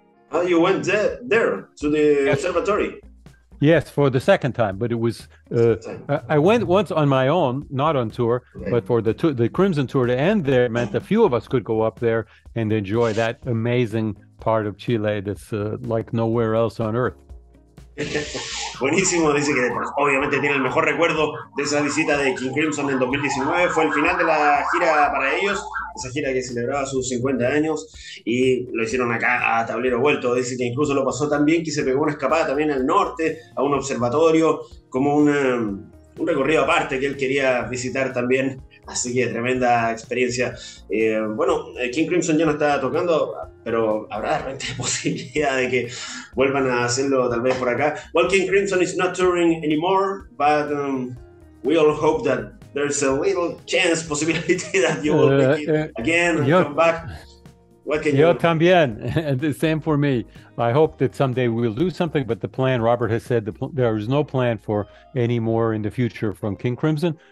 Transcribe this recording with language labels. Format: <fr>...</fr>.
<en>Oh, you went there to the observatory? Yes, for the second time. But it was I went once on my own, not on tour, but for the Crimson tour to end there meant a few of us could go up there and enjoy that amazing part of Chile that's like nowhere else on earth.</en> <es>Buenísimo, dice que obviamente tiene el mejor recuerdo de esa visita de King Crimson en 2019. Fue el final de la gira para ellos, esa gira que celebraba sus 50 años, y lo hicieron acá a tablero vuelto. Dice que incluso lo pasó tan bien que se pegó una escapada también al norte, a un observatorio, como un recorrido aparte que él quería visitar también Así que tremenda experiencia. Bueno, King Crimson ya no está tocando, pero habrá realmente posibilidad de que vuelvan a hacerlo tal vez por acá.</es> <en>Well, King Crimson is not touring anymore, but we all hope that there's a little chance, possibility that you will make it again and come back.</en> <es>Yo también.</es> <en>And the same for me. I hope that someday we'll do something, but the plan, Robert has said, there is no plan for any more in the future from King Crimson.</en>